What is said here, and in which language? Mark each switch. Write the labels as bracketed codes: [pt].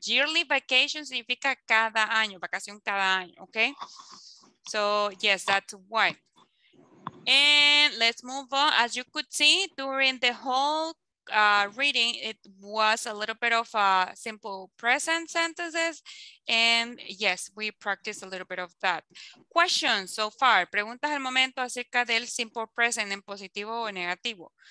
[en] Yearly vacation [es] significa cada año, vacación cada año, okay? [en] So, yes, that's why. And let's move on. As you could see, during the whole reading, it was a little bit of simple present sentences. And yes, we practiced a little bit of that. Questions so far. [es] Preguntas al momento acerca del simple present en positivo o negativo.